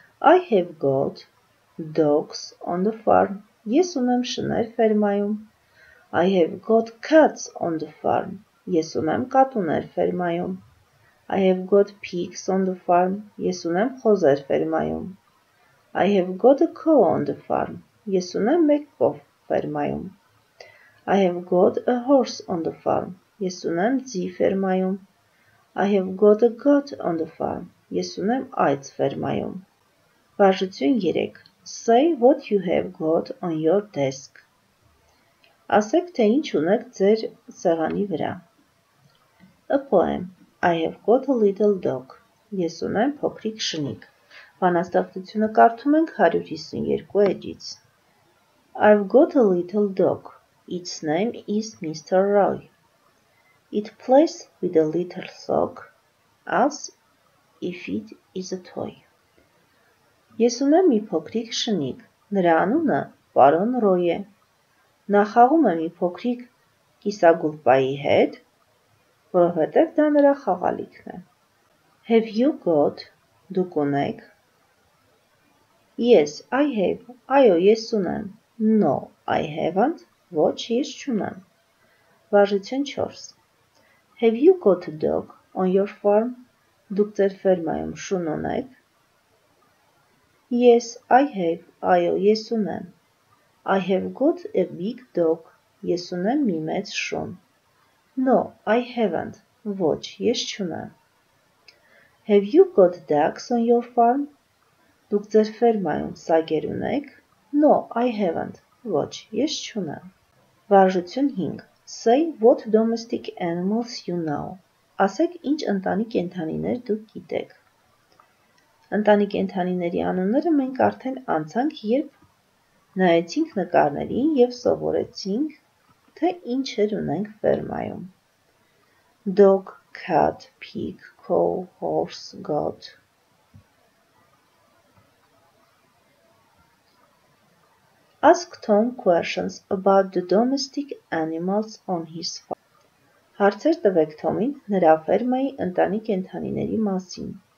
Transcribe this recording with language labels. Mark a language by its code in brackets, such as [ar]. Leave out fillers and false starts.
[en] I have got dogs on the farm. [hy] Ես ունեմ շներ ֆերմայում. [en] I have got cats on the farm. [hy] Ես ունեմ կատուներ ֆերմայում. [en] I have got pigs on the farm. [hy] Ես ունեմ խոզեր ֆերմայում. [en] I have got a cow on the farm. [hy] Ես ունեմ մեկ կով ֆերմայում. [en] I have got a horse on the farm. [hy] Ես ունեմ ձի ֆերմայում. [en] I have got a goat on the farm. [hy] Ես ունեմ այծ ֆերմայում. Վարժություն 3. [en] Say what you have got on your desk. [hy] Ասեք, թե ինչ ունեք ձեր սեղանի վրա. [en] A poem. I have got a little dog. [hy] Ես ունեմ փոքրիկ շնիկ. Բանաստեղծությունը կարդում ենք 152 էջից. [en] I've got a little dog. Its name is Mr. Roy. It plays with a little sock as if it is a toy. [hy] Ես ունեմ մի փոքրիկ շնիկ, նրա անունը պարոն Ռոյ է։ Նա խաղում է մի փոքրիկ կիսագուլպայի հետ, որովհետև դա նրա խաղալիքն է։ [en] Have you got, [hy] դուք ունեք։ [en] Yes, I have, [hy] այո, ես ունեմ։ [en] No, I haven't, [hy] ոչ, ես չունեմ։ Վարժություն 4. [en] Have you got a dog on your farm? [hy] Դուք ձեր ֆերմայում շուն ունեք? [en] Yes, I have. [hy] Այո, ես ունեմ. [en] I have got a big dog. [hy] Ես ունեմ մի մեծ շուն. [en] No, I haven't. [hy] Ոչ, ես չունեմ. [en] Have you got ducks on your farm? [hy] Դուք ձեր ֆերմայում սագեր ունեք? [en] No, I haven't. [hy] Ոչ, ես չունեմ. Վարժություն 5. [en] Say what domestic animals you know. [hy] Ասեք, ինչ ընտանի կենդանիներ դուք գիտեք։ Ընտանի կենդանիների անունները մենք արդեն անցանք, երբ նայեցինք նկարներին եւ սովորեցինք, թե ինչեր ունենք ֆերմայում։ [en] Dog, cat, pig, cow, horse, goat. Ask Tom questions about the domestic animals on his farm. [hy] Հարցեր տվեք Թոմին նրա ֆերմայի ընտանի կենդանիների մասին.